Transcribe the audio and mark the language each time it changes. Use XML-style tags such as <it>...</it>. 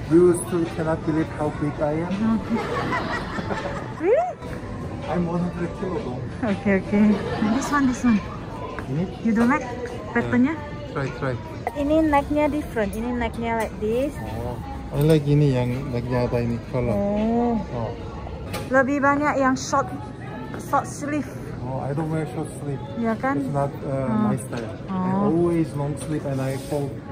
<en>You still cannot believe how big I am. Really? I'm 100 kilos. Okay, okay. This one.</en> <id>Ini?</id> <en>You don't like pattern-nya? Try.</en> <id>Ini</id> <en>necknya different. Ini necknya like this. Oh, I like</en> <id>ini yang necknya apa ini</id> <en>color.</en> <id>Oh. Lebih banyak yang short sleeve.</id> <en>Oh, I don't wear short sleeve.</en> <id>Ya kan?</id> <en>It's not my style. Oh. I always long sleeve and I fold.</en>